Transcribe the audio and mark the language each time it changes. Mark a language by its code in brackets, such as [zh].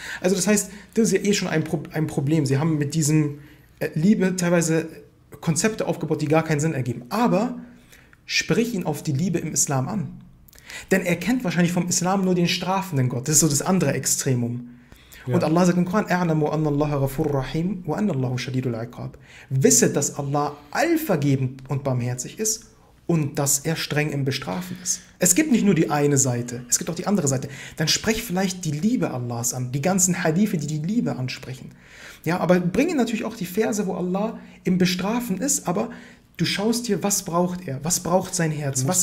[de] Also das heißt, das ist ja eh schon ein Problem. Sie haben mit diesem Liebe teilweise Konzepte aufgebaut, die gar keinen Sinn ergeben. Aber sprich ihn auf die Liebe im Islam an. Denn er kennt wahrscheinlich vom Islam nur den strafenden Gott. Das ist so das andere Extremum. Ja. Und Allah sagt im Koran, [ar] اَعْنَمُوا أَنَّ اللَّهَ غَفُورٌ رَحِيمٌ وَأَنَّ اللَّهُ شَدِيدُ الْعِقَابِ. [de] Wisset, dass Allah allvergebend und barmherzig ist und dass er streng im Bestrafen ist. Es gibt nicht nur die eine Seite, es gibt auch die andere Seite. Dann sprech vielleicht die Liebe Allahs an, die ganzen Hadithe, die Liebe ansprechen. Ja, aber bringe natürlich auch die Verse, wo Allah im Bestrafen ist, aber du schaust dir, was braucht er, was braucht sein Herz,